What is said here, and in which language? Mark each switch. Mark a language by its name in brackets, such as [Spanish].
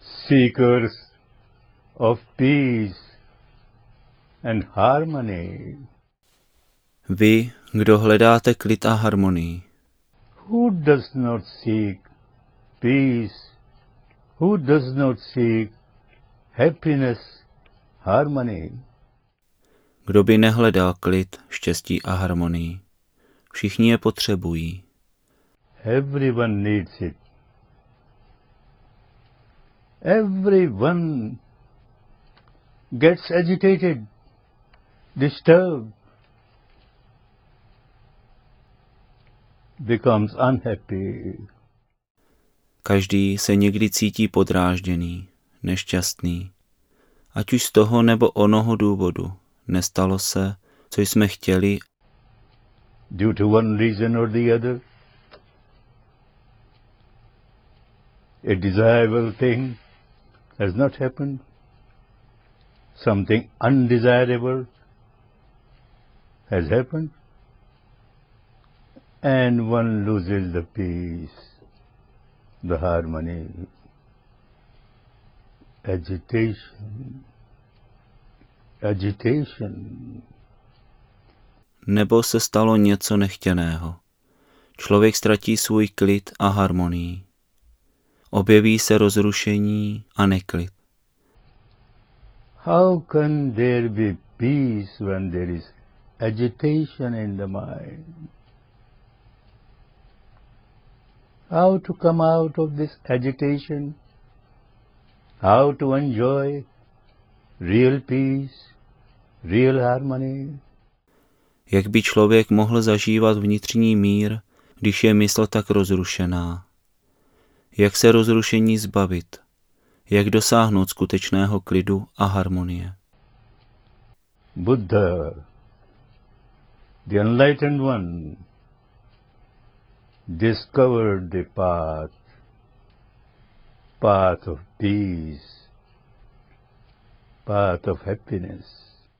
[English] Seekers of peace and harmony. [Czech] Vy, kdo hledáte klid a harmonii. [English] Who does not seek peace? Who does not seek happiness, harmony? [Czech] Kdo by nehledal klid, štěstí a harmonii? Všichni je potřebují. [English] Everyone needs it. Everyone gets agitated, disturbed, becomes unhappy. [Czech] Každý se někdy cítí podrážděný, nešťastný. Ať už z toho nebo onoho důvodu nestalo se, co jsme chtěli. [English] Due to one reason or the other, a desirable thing has not happened. Something undesirable has happened. And one loses the peace, the harmony, agitation. [Czech] Nebo se stalo něco nechtěného. Člověk ztratí svůj klid a harmonii. Objeví se rozrušení a neklid. [English] How can there be peace when there is agitation in the mind? How to come out of this agitation? How to enjoy real peace, real harmony? [Czech] Jak by člověk mohl zažívat vnitřní mír, když je mysl tak rozrušená? Jak se rozrušení zbavit? Jak dosáhnout skutečného klidu a harmonie? [English] Buddha, the enlightened one, discovered the path of peace, path of happiness.